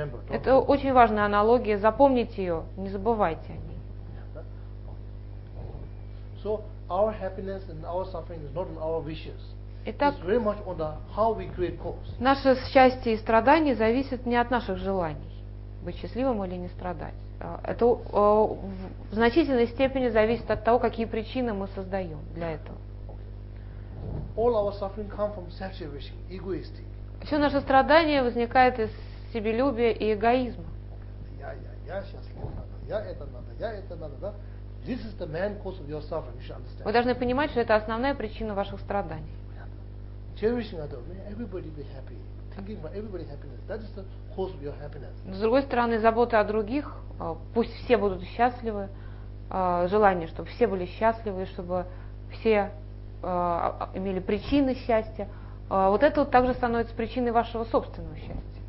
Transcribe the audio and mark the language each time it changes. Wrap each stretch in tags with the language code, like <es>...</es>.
<ru>Это очень важная аналогия, запомните ее, не забывайте о ней.</ru> <en>So our happiness and our suffering is not in our wishes. It's very much on the how we create cause.</en> <ru>Наше счастье и страдание зависит не от наших желаний, быть счастливым или не страдать. Это в значительной степени зависит от того, какие причины мы создаем для этого.</ru> <en>All our suffering comes from self-cherishing, egoistic.</en> <ru>Все наше страдание возникает из себелюбия и эгоизма. Я счастлив, я это надо, да?</ru> <en>This is the main cause of your suffering, you should understand.</en> <ru>Вы должны понимать, что это основная причина ваших страданий.</ru> <en>Cherishing other, may everybody be happy. Thinking about everybody happiness, that is the cause of your happiness.</en> <ru>С другой стороны, забота о других, пусть все будут счастливы, желание, чтобы все были счастливы, чтобы все имели причины счастья, вот это вот также становится причиной вашего собственного счастья.</ru>